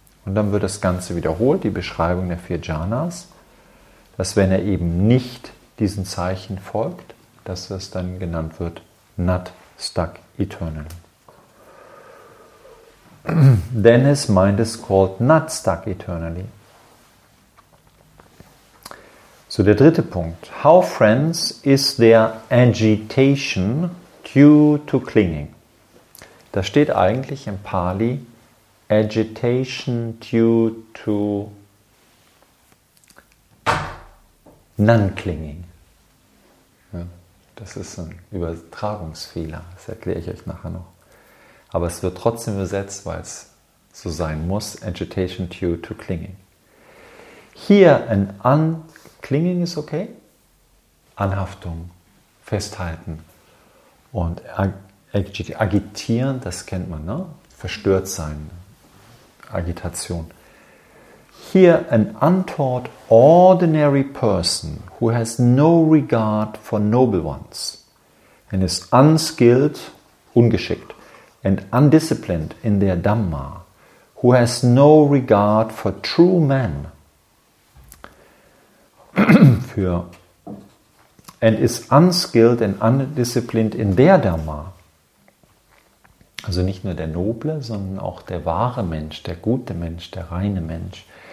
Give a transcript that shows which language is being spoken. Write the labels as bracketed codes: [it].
[de] Und dann wird das Ganze wiederholt, die Beschreibung der vier Jhanas, dass wenn er eben nicht diesen Zeichen folgt, dass es dann genannt wird [en] not stuck eternally. Then his mind is called not stuck eternally. [de] So der dritte Punkt. [en] How, friends, is there agitation due to clinging? [de] Da steht eigentlich im Pali [en] agitation due to non-clinging. [de] Das ist ein Übertragungsfehler, das erkläre ich euch nachher noch. Aber es wird trotzdem übersetzt, weil es so sein muss, [en] agitation due to clinging. Here an clinging is okay, [de] Anhaftung, Festhalten und agitieren, das kennt man, ne? Verstört sein, Agitation. [en] Here an untaught ordinary person who has no regard for noble ones and is unskilled, ungeschickt, and undisciplined in their Dhamma, who has no regard for true men, and is unskilled and undisciplined in their Dhamma. [de] Also nicht nur der Noble, sondern auch der wahre Mensch, der gute Mensch, der reine Mensch.